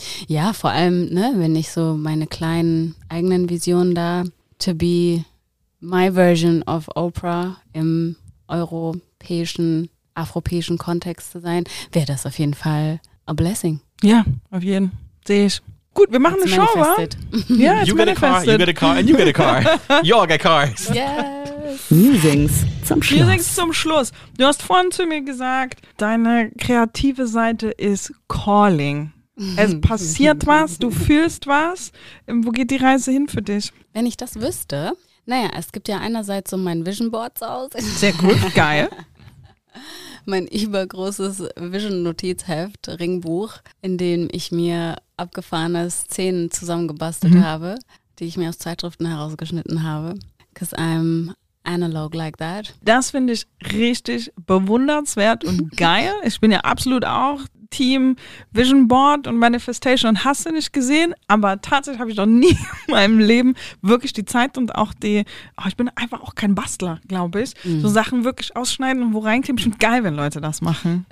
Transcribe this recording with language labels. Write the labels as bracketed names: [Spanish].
[German] Ja, vor allem, ne, wenn ich so meine kleinen eigenen Visionen da, [English] to be my version of Oprah [German] im europäischen, afropäischen Kontext zu sein, wäre das auf jeden Fall [English] a blessing. [German] Ja, auf jeden Fall. Sehe ich. Gut, wir machen eine Show, wa? Ja, [English] you get a car, you get a car, and you get a car. You all get cars. Yes. [German] Musings zum Schluss. Du hast vorhin zu mir gesagt, deine kreative Seite ist calling. Es passiert was, du fühlst was. Wo geht die Reise hin für dich? Wenn ich das wüsste, naja, es gibt ja einerseits so mein Vision Board zu Hause. Sehr gut, geil. Mein übergroßes Vision-Notizheft, Ringbuch, in dem ich mir abgefahrene Szenen zusammengebastelt habe, die ich mir aus Zeitschriften herausgeschnitten habe. [English] Because I'm analog like that. [German] Das finde ich richtig bewundernswert und geil. Ich bin ja absolut auch Team Vision Board und Manifestation und hast du nicht gesehen, aber tatsächlich habe ich noch nie in meinem Leben wirklich die Zeit und auch die, oh, ich bin einfach auch kein Bastler, glaube ich, so Sachen wirklich ausschneiden und wo reinkleben, ich finde geil, wenn Leute das machen.